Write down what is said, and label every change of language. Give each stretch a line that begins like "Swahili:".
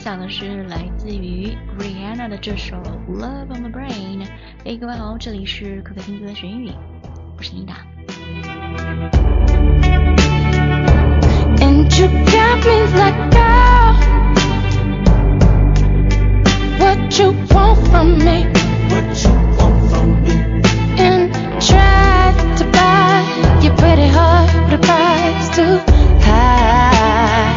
Chinese: 是来自于 Rihanna 的这首 Love on the Brain。 Hey, 各位好，这里是可可听歌的旋律，我是 Linda。
English: And you got me like oh, What you want from me And try to buy your pretty heart But the price too high